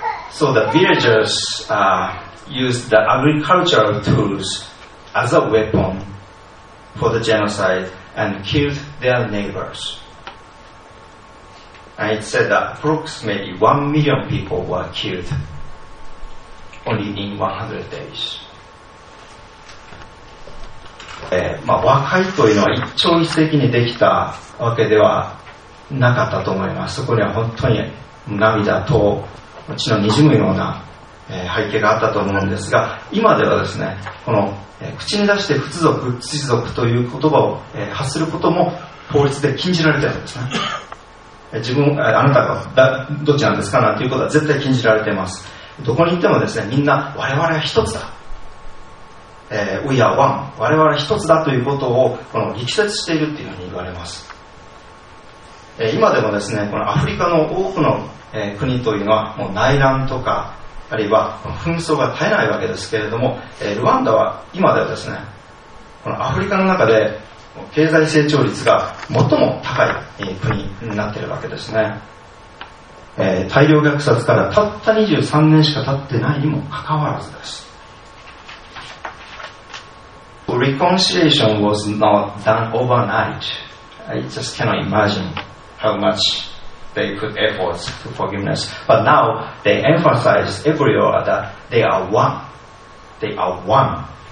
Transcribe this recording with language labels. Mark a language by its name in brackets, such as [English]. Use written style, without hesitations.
[English] So the villagers used the agricultural tools as a weapon for the genocide and killed their neighbors. And it said that approximately 1 million people were killed only in 100 days. [Japanese] まあ、和解というのは一朝一夕にできたわけではなかったと思います。そこには本当に涙と血のにじむような背景があったと思うんですが、今ではですね、この口に出して不都族、不都族という言葉を発することも法律で禁じられているんですね。自分、あなたがどっちなんですかなんていうことは絶対禁じられています。どこに行ってもですね、みんな我々は一つだ、We are one、 我々は一つだということをこの力説しているというふうに言われます。今でもですね、このアフリカの多くの国というのはもう内乱とかあるいは紛争が絶えないわけですけれども、ルワンダは今ではですね、このアフリカの中で経済成長率が最も高い国になっているわけですね。大量虐殺からたった23年しか経ってないにもかかわらずです。 [English] Reconciliation was not done overnight. I just cannot imagine how much they put efforts to forgiveness. But now they emphasize everywhere that they are one. They are one.